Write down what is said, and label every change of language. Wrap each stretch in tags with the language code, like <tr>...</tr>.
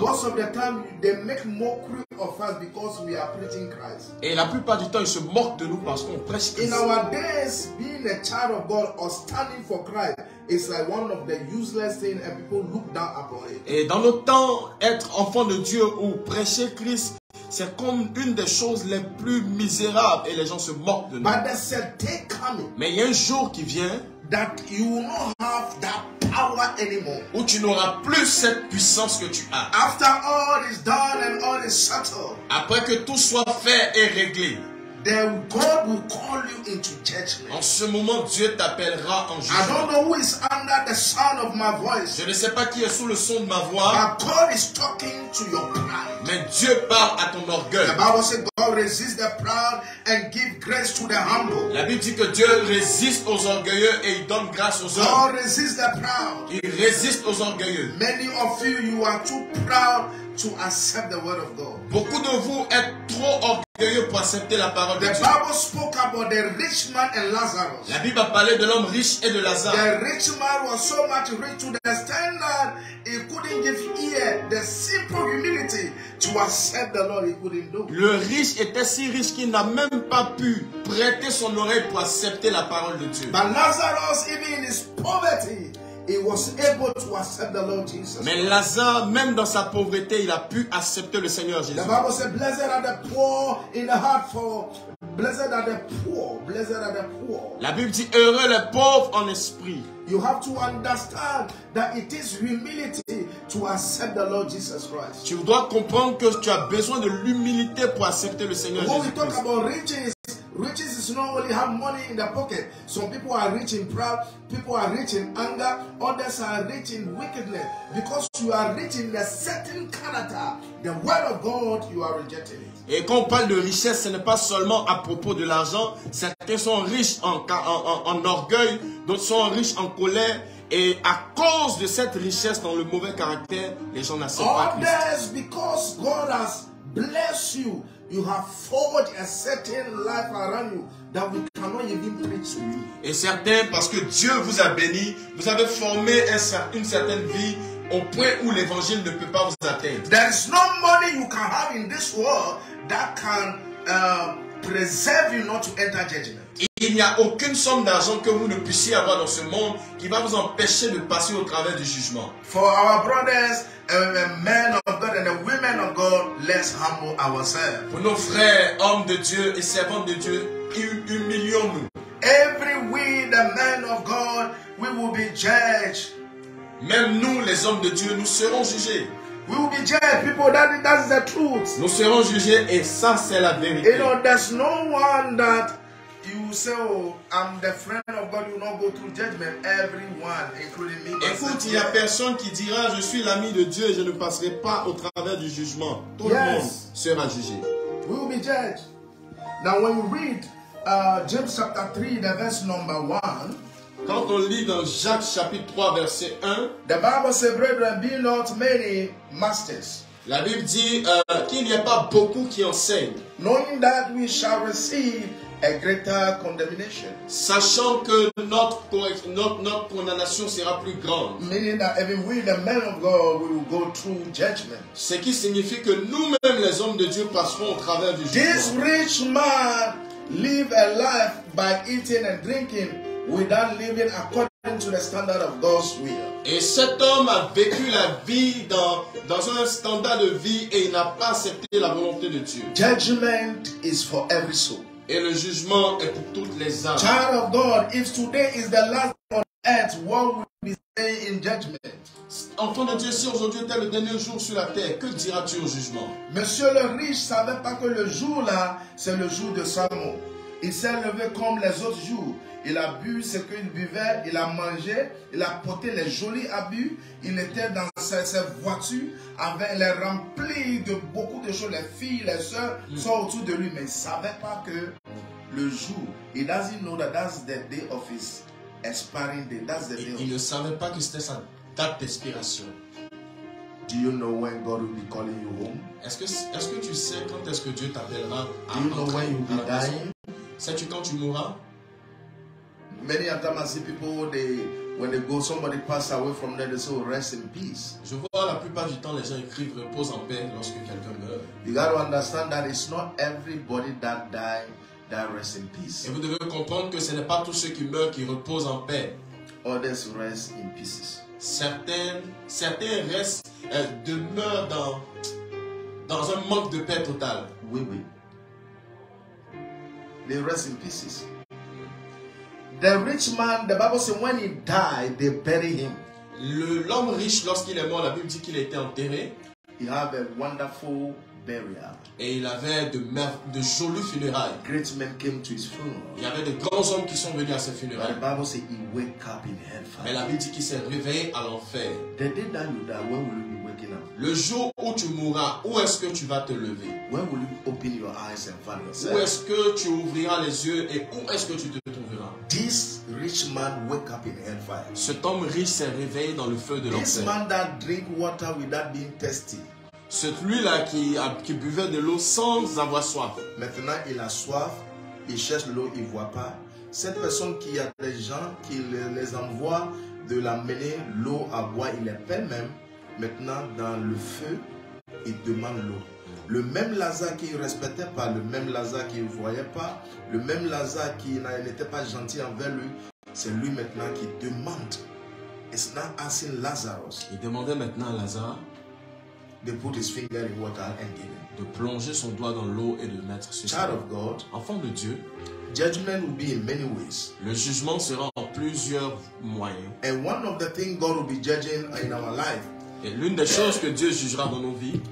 <en>Most of the time, they make mockery of us because we are preaching Christ.</en> <fr>Et la plupart du temps, ils se moquent de nous parce qu'on prêche Christ.</fr> <en>In our days, being a child of God or standing for Christ is like one of the useless things, and people look down upon it.</en> <fr>Et dans nos temps, être enfant de Dieu ou prêcher Christ, c'est comme une des choses les plus misérables et les gens se moquent de nous. Mais il y a un jour qui vient</fr> <en>that you will not have that power anymore.</en> <fr>Où tu n'auras plus cette puissance que tu as.</fr> <en>After all is done and all is settled,</en> <fr>après que tout soit fait et réglé,</fr> <en>then God will call you into judgment.</en> <fr>En ce moment, Dieu t'appellera en jugement.</fr> <en>I don't know who is under the sound of my voice.</en> <fr>Je ne sais pas qui est sous le son de ma voix.</fr> <en>But God is talking to your pride.</en> <fr>Mais Dieu parle à ton orgueil.</fr> <en>The Bible says God resists the proud and gives grace to the humble.</en> <fr>La Bible dit que Dieu résiste aux orgueilleux et il donne grâce aux humbles.</fr> <en>God resists the proud.</en> <fr>Il résiste aux orgueilleux.</fr> <en>Many of you, you are too proud to accept the word of God.</en> <fr>Beaucoup de vous êtes trop orgueilleux pour accepter la parole</fr> <en>the The Bible spoke about the rich man and Lazarus.</en> <fr>La Bible a parlé de l'homme riche et de Lazare.</fr> <en>The rich man was so much rich to the standard he couldn't give ear the simple humility to accept the Lord he couldn't do.</en> <fr>Le riche était si riche qu'il n'a même pas pu prêter son oreille pour accepter la parole de Dieu.</fr> <en>But Lazarus, even in his poverty, he was able to accept the Lord Jesus.</en> <fr>Mais Lazare, même dans sa pauvreté, il a pu accepter le Seigneur Jésus.</fr> <en>The Bible says, "Blessed are the poor in the heart, for blessed are the poor, blessed are the poor."</en> <fr>La Bible dit, heureux les pauvres en esprit.</fr> <en>You have to understand that it is humility to accept the Lord Jesus Christ.</en> <fr>Tu dois comprendre que tu as besoin de l'humilité pour accepter le Seigneur Jésus Christ.</fr> <en>When we talk about riches, riches is not only have money in the pocket. Some people are rich in pride, people are rich in anger, others are rich in wickedness. Because you are rich in a certain character, the word of God, you are rejecting it.</en> <fr>Et quand on parle de richesse, ce n'est pas seulement à propos de l'argent. Certains sont riches en orgueil, d'autres sont riches en colère. Et à cause de cette richesse dans le mauvais caractère, les gens n'acceptent pas Christ.</fr> <en>Others, because God has blessed you, you have forged a certain life around you that we cannot even preach to you.</en> <fr>Et certains, parce que Dieu vous a béni, vous avez formé une certaine vie au point où l'évangile ne peut pas vous atteindre.</fr> <en>There is no money you can have in this world that can preserve you not to enter judgment.</en> <fr>Il n'y a aucune somme d'argent que vous ne puissiez avoir dans ce monde qui va vous empêcher de passer au travers du jugement.</fr> <en>For our brothers and men of God and the women of God, let's humble ourselves.</en> <fr>Pour nos frères, hommes de Dieu et servantes de Dieu, humilions-nous.</fr> <en>Every we, the men of God, we will be judged.</en> <fr>Même nous, les hommes de Dieu, nous serons jugés.</fr> <en>We will be judged, people. That is the truth.</en> <fr>Nous serons jugés et ça, c'est la vérité.</fr> <en>You know, there's no one that you say, oh, I'm the friend of God, you will not go through judgment. Everyone, including me.</en> <fr>Écoute, il y a personne qui dira, je suis l'ami de Dieu et je ne passerai pas au travers du jugement. Tout</fr> <en>yes.</en> <fr>Le monde sera jugé.</fr> <en>We will be judged. Now, when you read James chapter 3, the verse number 1.</en> <fr>Quand on lit dans Jacques chapitre 3, verset 1,</fr> <en>the Bible says, brethren, be not many masters.</en> <fr>La Bible dit qu'il n'y a pas beaucoup qui enseignent.</fr> <en>Knowing that we shall receive a greater condemnation.</en> <fr>Sachant que notre condamnation sera plus grande.</fr> <en>Meaning that even we, the men of God, we will go through judgment.</en> <fr>Ce qui signifie que nous-mêmes, les hommes de Dieu, passerons au travers du jugement.</fr> <en>This rich man lived a life by eating and drinking without living according to the standard of God's will.</en> <fr>Et cet homme a vécu la vie dans un standard de vie et il n'a pas accepté la volonté de Dieu.</fr> <en>Judgment is for every soul.</en> <fr>Et le jugement est pour toutes les âmes.</fr> <en>Child of God, if today is the last on earth, what will be said in judgment?</en> <fr>Enfant de Dieu, si aujourd'hui était le dernier jour sur la terre, que diras-tu au jugement? Monsieur le riche savait pas que le jour là, c'est le jour de sa mort. Il s'est levé comme les autres jours. Il a bu ce qu'il buvait, il a mangé, il a porté les jolis habits. Il était dans sa voiture, avec les remplis de beaucoup de choses. Les filles, les soeurs sont autour de lui, mais il ne savait pas que le jour, il</fr> <en>doesn't know that that's the day of his expiring day. That's the day of...</en> <fr>Il ne savait pas que c'était sa date d'expiration.</fr> <en>Do you know when God will be calling you home?</en> <fr>Est-ce que tu sais quand est-ce que Dieu t'appellera?</fr> <en>Do you know when you will be dying?</en> <fr>Sais-tu quand tu mourras?</fr> <en>Many of them I see people they when they go somebody pass away from there they say oh, rest in peace.</en> <fr>Je vois la plupart du temps les gens écrivent repose en paix lorsque quelqu'un meurt.</fr> <en>You got to understand that it's not everybody that die that rest in peace.</en> <fr>Et vous devez comprendre que ce n'est pas tous ceux qui meurent qui reposent en paix.</fr> <en>Others rest in pieces.</en> <fr>Certains restent demeurent dans un manque de paix total. Oui oui.</fr> <en>They rest in pieces. The rich man, the Bible says when he died, they buried him.</en> <fr>L'homme riche lorsqu'il est mort, la Bible dit qu'il a été enterré.</fr> <en>He had a wonderful burial.</en> <fr>Et il avait de jolies funérailles.</fr> <en>Great men came to his funeral.</en> <fr>Il y avait de grands hommes qui sont venus à ses funérailles.</fr> <en>The Bible says he wake up in hell.</en> <fr>Mais la Bible dit qu'il s'est réveillé à l'enfer.</fr> <en>The day that you die, when will you be waking up?</en> <fr>Le jour où tu mourras, où est-ce que tu vas te lever?</fr> <en>When will you open your eyes and find yourself?</en> <fr>Où est-ce que tu ouvriras les yeux et où est-ce que tu te trouveras?</fr> <en>This rich man wake up in hellfire.</en> <fr>Cet homme riche s'est réveillé dans le feu de l'enfer.</fr> <en>This man that drink water without being thirsty.</en> <fr>Celui-là qui buvait de l'eau sans avoir soif. Maintenant, il a soif, il cherche l'eau, il ne voit pas. Cette personne qui a des gens qui les envoient de l'amener l'eau à boire, il appelle même. Maintenant, dans le feu, il demande l'eau. Le même Lazare qu'il ne respectait pas, le même Lazare qu'il ne voyait pas, le même Lazare qui n'était pas gentil envers lui, c'est lui maintenant qui demande.</fr> <en>It's not asking Lazarus.</en> <fr>Il demandait maintenant à Lazare.</fr> <en>They put his finger in water and give it.</en> <fr>De plonger son doigt dans l'eau et de mettre ce</fr> <en>child of God,</en> <fr>enfant de Dieu.</fr> <en>Judgment will be in many ways.</en> <fr>Le jugement sera en plusieurs moyens.</fr> <en>And one of the things God will be judging in our life.</en> <fr>Et l'une des choses que Dieu jugera dans nos vies</fr>